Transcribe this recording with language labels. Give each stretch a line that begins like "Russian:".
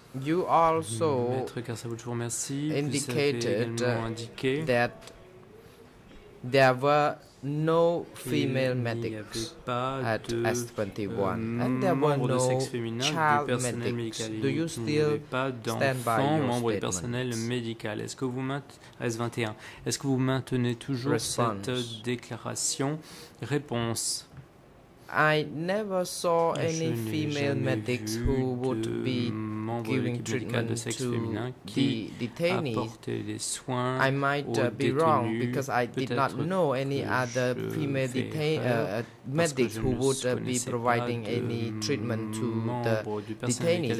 English: You also indicated that there were no female medics at S21 and there were no child medics. Do you still stand by your statement?
French: Est-ce que vous S21, est-ce que vous maintenez toujours
English: response.
French: Cette déclaration?
English: Réponse. I never saw any female medics who would be giving treatment to the detainees. I might be wrong because I did not know any other female medics who would be providing any treatment to the detainees.